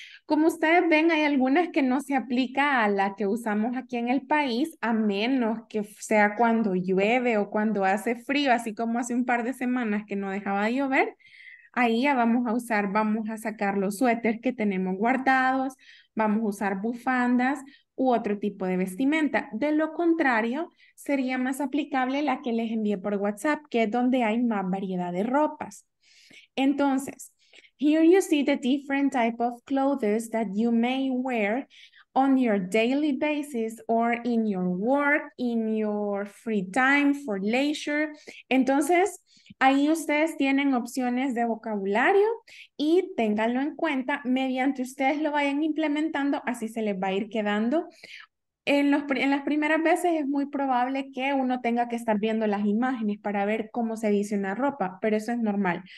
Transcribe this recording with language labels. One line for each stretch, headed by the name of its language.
Spanish: Como ustedes ven, hay algunas que no se aplica a la que usamos aquí en el país, a menos que sea cuando llueve o cuando hace frío, así como hace un par de semanas que no dejaba de llover. Ahí ya vamos a usar, vamos a sacar los suéteres que tenemos guardados, vamos a usar bufandas u otro tipo de vestimenta. De lo contrario, sería más aplicable la que les envié por WhatsApp, que es donde hay más variedad de ropas.
English: Entonces, here you see the different type of clothes that you may wear on your daily basis or in your work, in your free time for leisure.
Spanish: Entonces, ahí ustedes tienen opciones de vocabulario y ténganlo en cuenta, mediante ustedes lo vayan implementando, así se les va a ir quedando En las primeras veces es muy probable que uno tenga que estar viendo las imágenes para ver cómo se dice una ropa, pero eso es normal.